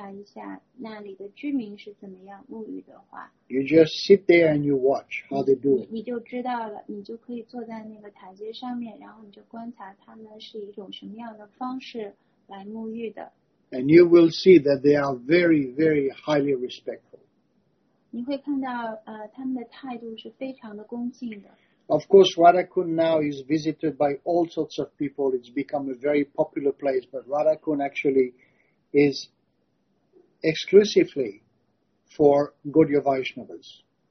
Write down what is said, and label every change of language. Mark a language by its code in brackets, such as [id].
[zh] 如果你看一看，就是观察一下那里的居民是怎么样沐浴的话， [en] you just sit there and you watch how they do it. [zh] 你就知道了，你就可以坐在那个台阶上面，然后你就观察他们是一种什么样的方式来沐浴的。 [en] And you will see that they are very, very highly respectful. [zh] 你会看到，他们的态度是非常的恭敬的。 [en] Of course, Radha Kund now is visited by all sorts of people. It's become a very popular place, but Radha Kund actually is exclusively for Gaudiya Vaishnavas.